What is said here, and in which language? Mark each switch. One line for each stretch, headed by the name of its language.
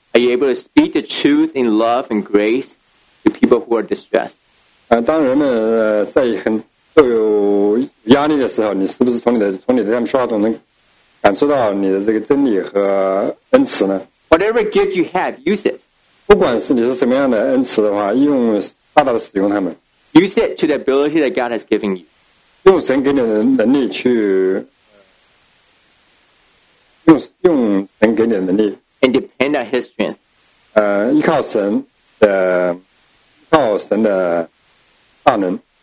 English: Are you able to speak the truth in love and grace to people who are distressed?
Chinese: 当人们在很都有压力的时候，你是不是从你的他们说话中能？感受到你的这个真理和恩慈呢？
English: Whatever gift you have, use it.
Chinese: 不管是你是什么样的恩慈的话，用大大的使用它们。
English: Use it to the ability that God has given you.
Chinese: 用神给你的能力去。
English: And depend on His strength.
Chinese: 依靠神的大能。